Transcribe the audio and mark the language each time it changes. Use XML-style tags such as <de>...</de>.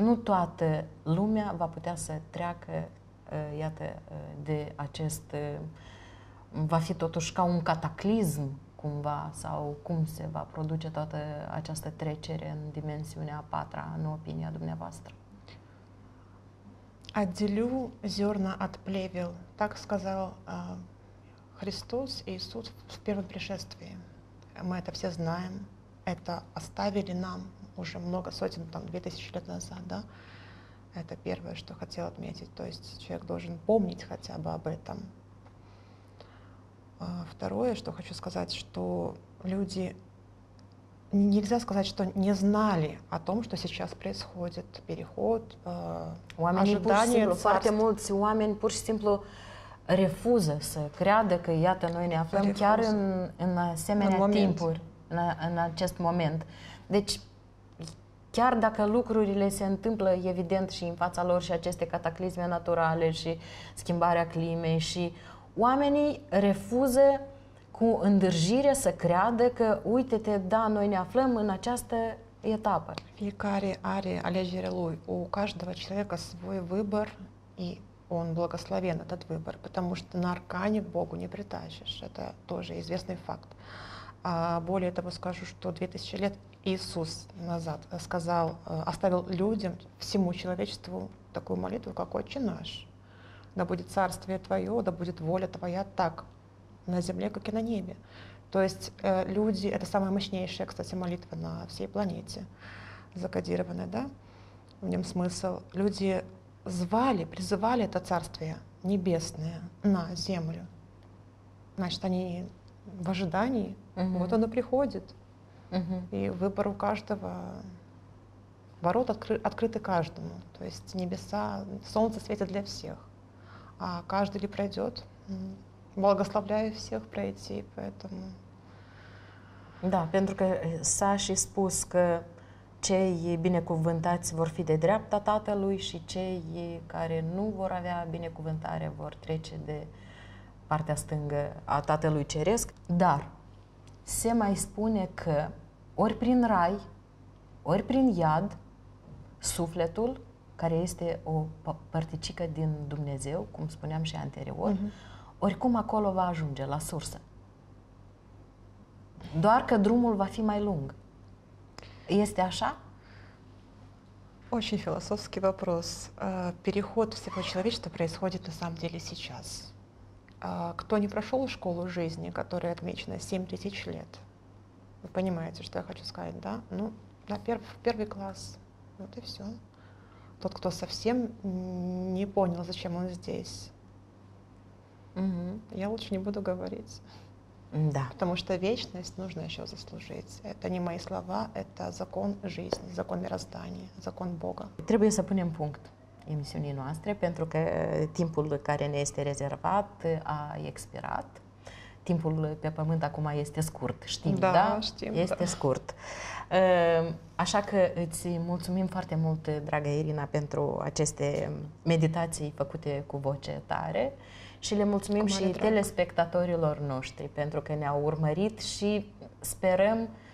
<ro>Nu toată lumea va putea să treacă, iată, de acest... va fi totuși ca un cataclism, cumva, sau cum se va produce toată această trecere în dimensiunea a patra, în opinia dumneavoastră.</ro> <ru>«Отделю зерна от плевел», так сказал Христос Иисус в первом пришествии. Мы это все знаем, это оставили нам уже много сотен, там, 2000 лет назад, да? Это первое, что хотел отметить, то есть человек должен помнить хотя бы об этом. Второе, что хочу сказать, что люди, нельзя сказать, что не знали о том, что сейчас происходит переход, ожидание царства.</ru> <ro>Foarte mulți oameni pur și simplu refuză să creadă că, iată, noi ne aflăm chiar în asemenea timpuri, în acest moment. Deci, chiar dacă lucrurile se întâmplă evident și în fața lor și aceste cataclisme naturale și schimbarea climei și oamenii refuză cu îndârjire să creadă că, uite-te, da, noi ne aflăm în această etapă. Fiecare are alegerea lui.</ro> <ru>O každого человека свой выбор, и он благословен этот выбор, потому что на аркане к Богу не притащишь. Это тоже известный факт. А более того, скажу, что 2000 лет Иисус назад сказал, оставил людям, всему человечеству такую молитву, как «Отче наш, да будет царствие Твое, да будет воля Твоя так на земле, как и на небе». То есть люди, это самая мощнейшая, кстати, молитва на всей планете, закодированная, да, в нем смысл. Люди звали, призывали это царствие небесное на землю. Значит, они в ожидании, вот оно приходит. И выбор у каждого, ворота открыты каждому. То есть небеса, солнце светит для всех. А каждый ли пройдет? Благословляю всех пройти, поэтому...</ru> <ro>Да, pentru că s-a și spus că cei binecuvântați vor fi de dreapta Tatălui și cei care nu vor avea binecuvântare vor trece de partea stângă a Tatălui Ceresc. Dar se mai spune că ori prin rai, ori prin iad, sufletul, care este o părticică din Dumnezeu, cum spuneam și anterior, oricum acolo va ajunge, la sursă. Doar că drumul va fi mai lung. Este așa?</ro> <ru>Очень философский вопрос. Переход всего человечества происходит на самом деле сейчас. Кто не прошел школу жизни, которая отмечена 7000 лет, вы понимаете, что я хочу сказать, да? Ну, на первый класс, вот и все. Тот, кто совсем не понял, зачем он здесь, я лучше не буду говорить. Да. Потому что вечность нужно еще заслужить. Это не мои слова, это закон жизни, закон мироздания, закон Бога.</ru> <ro>Требуя сапунем пункт. Emisiunii noastre, pentru că timpul care ne este rezervat a expirat. Timpul pe pământ acum este scurt, știm, da? Da, știm. Este da. Scurt. Așa că îți mulțumim foarte mult, dragă Irina, pentru aceste meditații făcute cu voce tare și le mulțumim și drag telespectatorilor noștri pentru că ne-au urmărit și sperăm</ro>